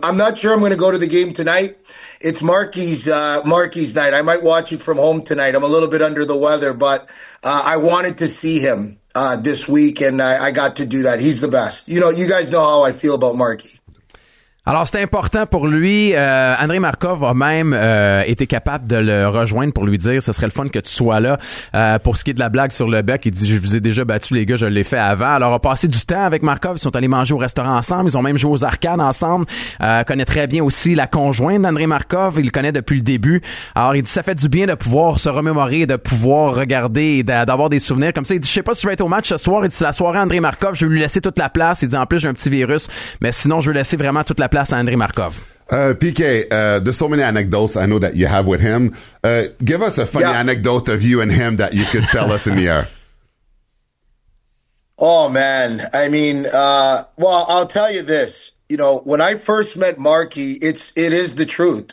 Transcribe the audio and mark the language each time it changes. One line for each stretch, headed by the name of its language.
English: I'm not sure I'm going to go to the game tonight. It's Marky's night. I might watch it from home tonight. I'm a little bit under the weather, but I wanted to see him this week, and I got to do that. He's the best. You know, you guys know how I feel about Marky.
French: Alors, c'est important pour lui. André Markov a même été capable de le rejoindre pour lui dire « Ce serait le fun que tu sois là. » Pour ce qui est de la blague sur le bec, il dit « Je vous ai déjà battu, les gars, je l'ai fait avant. » Alors, on a passé du temps avec Markov. Ils sont allés manger au restaurant ensemble. Ils ont même joué aux arcades ensemble. Connaît très bien aussi la conjointe d'André Markov. Il le connaît depuis le début. Alors, il dit « Ça fait du bien de pouvoir se remémorer, de pouvoir regarder et d'avoir des souvenirs. » Comme ça, il dit « Je sais pas si tu vas être au match ce soir. » Il dit « La soirée, André Markov, je vais lui laisser toute la place. » Il dit « En plus, j'ai un petit virus, mais sinon, je vais laisser vraiment toute la place à André Markov.
English: PK, there's so many anecdotes I know that you have with him. Give us a funny anecdote of you and him that you could tell us in the air. Oh, man. I mean, I'll tell you this. You know, when I first met Marky, it is the truth.